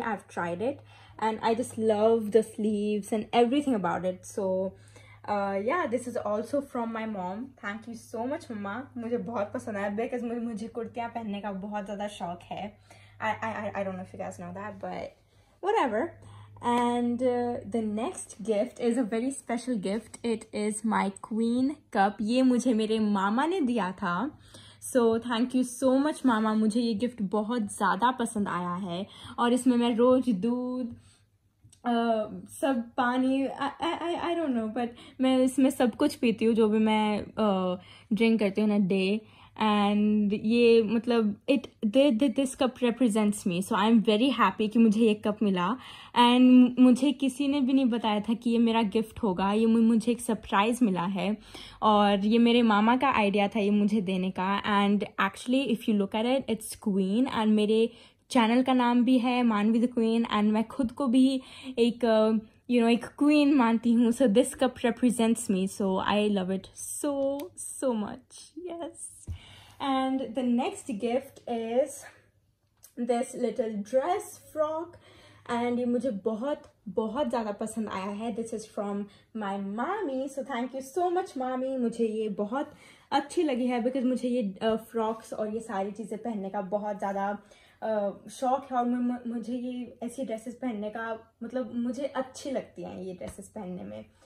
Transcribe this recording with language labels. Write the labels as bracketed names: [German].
[English] I have tried it and I just love the sleeves and everything about it. So yeah this is also from my mom. Thank you so much [Hindi] मम्मा. मुझे बहुत पसंद आया because मुझे कुर्तियाँ पहनने का बहुत ज़्यादा शौक है. [English] I don't know if you guys know that but whatever. And the next gift is a very special gift. It is my queen cup. [Hindi] ये मुझे मेरे मामा ने दिया था. [English] So thank you so much मामा. [Hindi] मुझे ये gift बहुत ज़्यादा पसंद आया है और इसमें मैं रोज दूध सब पानी [English] I don't know but [Hindi] मैं इसमें सब कुछ पीती हूँ जो भी मैं drink करती हूँ [English] in a day. And [Hindi] ये मतलब [English] It this cup represents me. So I am very happy [Hindi] कि मुझे ये कप मिला एंड मुझे किसी ने भी नहीं बताया था कि ये मेरा गिफ्ट होगा. ये मुझे एक सरप्राइज़ मिला है और ये मेरे मामा का आइडिया था ये मुझे देने का. [English] and actually if you look at it it's queen [Hindi] and मेरे चैनल का नाम भी है मानवी द क्वीन एंड मैं खुद को भी एक [English] you know [Hindi] एक क्वीन मानती हूँ. [English] So this cup represents me so I love it so so much. Yes. And the next gift is this little dress frock [Hindi] and ये मुझे बहुत बहुत ज़्यादा पसंद आया है. [English] This is from my mami, so thank you so much mami. [Hindi] मुझे ये बहुत अच्छी लगी है बिकॉज मुझे ये फ्रॉक्स और ये सारी चीज़ें पहनने का बहुत ज़्यादा शौक है, और मुझे ये ऐसी ड्रेसेस पहनने का मतलब मुझे अच्छी लगती हैं ये ड्रेसेस पहनने में.